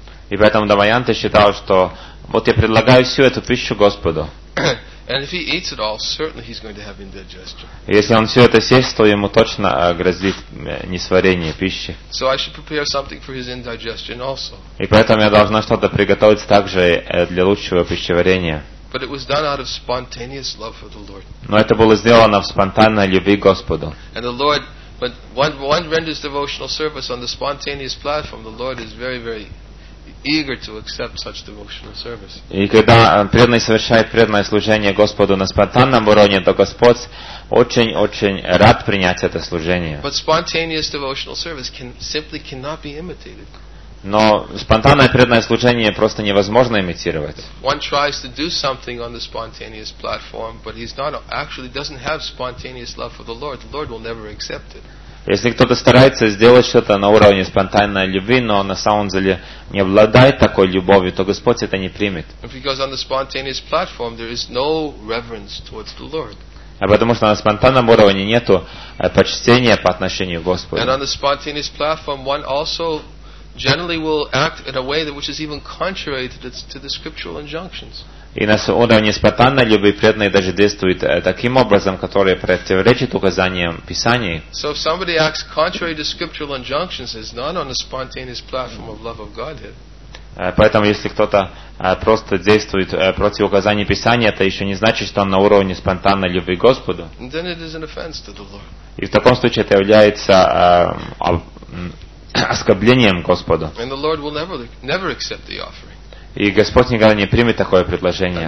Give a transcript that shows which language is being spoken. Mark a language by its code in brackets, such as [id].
[ru] И поэтому Дамаянта считал, что вот я предлагаю всю эту пищу Господу. [en] And if he eats it all, certainly he's going to have indigestion. [ru] Если он все это съест, то ему точно грозит несварение пищи. [en] So I should prepare something for his indigestion also. [ru] И поэтому я должна что-то приготовить также для лучшего пищеварения. [en] But it was done out of spontaneous love for the Lord. [ru] Но это было сделано в спонтанной любви к Господу. [en] And the Lord, when one renders devotional service on the spontaneous platform, the Lord is very, very eager to accept such devotional service. [ru] И когда преданный совершает преданное служение Господу на спонтанном уровне, то Господь очень-очень рад принять это служение. [en] But spontaneous devotional service simply cannot be imitated. [ru] Но спонтанное преданное служение просто невозможно имитировать. [en] One tries to do something on the spontaneous platform, but he's not actually doesn't have spontaneous love for the Lord. The Lord will never accept it. [ru] Если кто-то старается сделать что-то на уровне спонтанной любви, но на самом деле не обладает такой любовью, то Господь это не примет. [en] Because on the spontaneous platform there is no reverence towards the Lord. [ru] А потому что на спонтанном уровне нету почтения по отношению к Господу. [en] And on the spontaneous platform one also generally will act in a way that which is even contrary to the scriptural injunctions. [ru] И на уровне спонтанной любви преданные даже действуют таким образом, который противоречит указаниям Писаний. [en] So if somebody acts contrary to scriptural injunctions, it's not on a spontaneous platform of love of Godhead. [ru] Поэтому если кто-то просто действует против указаний Писания, это еще не значит, что он на уровне спонтанной любви к Господу. [en] And then it is an offense to the Lord. [ru] И в таком случае это является оскорблением Господу. [en] And the Lord will never accept the offering. [ru] И Господь никогда не примет такое предложение.